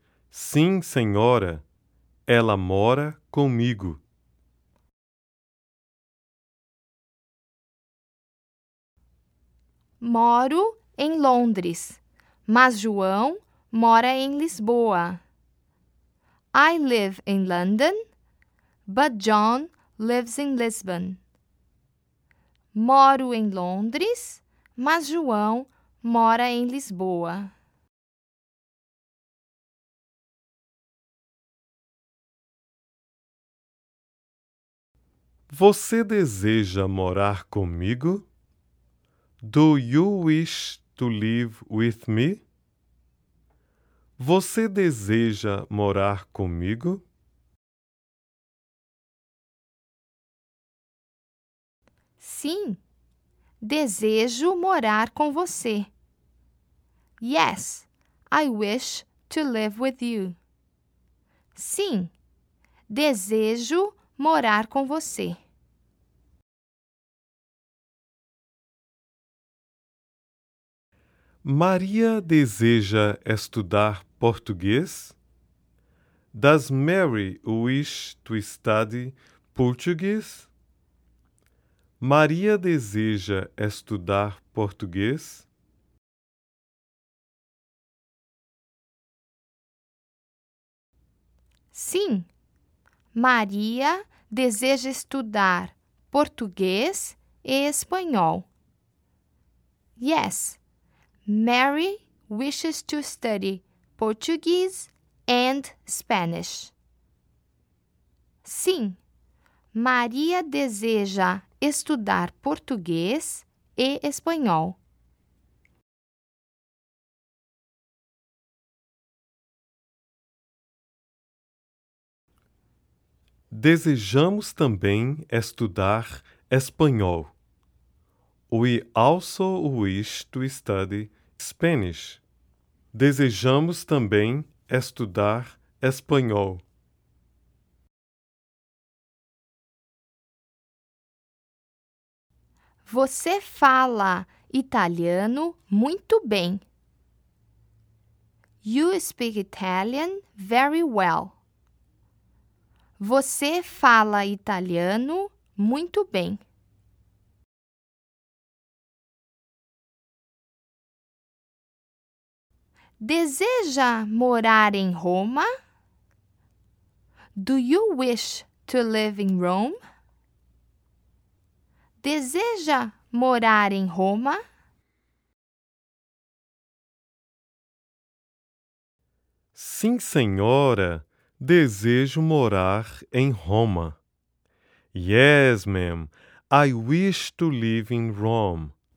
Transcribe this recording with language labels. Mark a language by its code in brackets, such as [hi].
[pt] Sim, senhora. Ela mora comigo. Moro em Londres, mas João mora em Lisboa. [en] I live in London, but John lives in Lisbon. [pt] Moro em Londres, mas João mora em Lisboa. Você deseja morar comigo? [en] Do you wish to live with me? [pt] Você deseja morar comigo? Sim, desejo morar com você. [en] Yes, I wish to live with you. [pt] Sim, desejo morar com você. Maria deseja estudar português? [en] Does Mary wish to study Portuguese? [pt] Maria deseja estudar português? Sim, Maria deseja estudar português e espanhol. [en] Yes, Mary wishes to study Portuguese and Spanish. [pt] Sim, Maria deseja estudar português e espanhol. Desejamos também estudar espanhol. [en] We also wish to study Spanish. [pt] Desejamos também estudar espanhol. Você fala italiano muito bem. [en] You speak Italian very well. [pt] Você fala italiano muito bem. Deseja morar em Roma? [en] Do you wish to live in Rome? [pt] Deseja morar em Roma? Sim, senhora, desejo morar em Roma. [en] Yes, ma'am, I wish to live in Rome.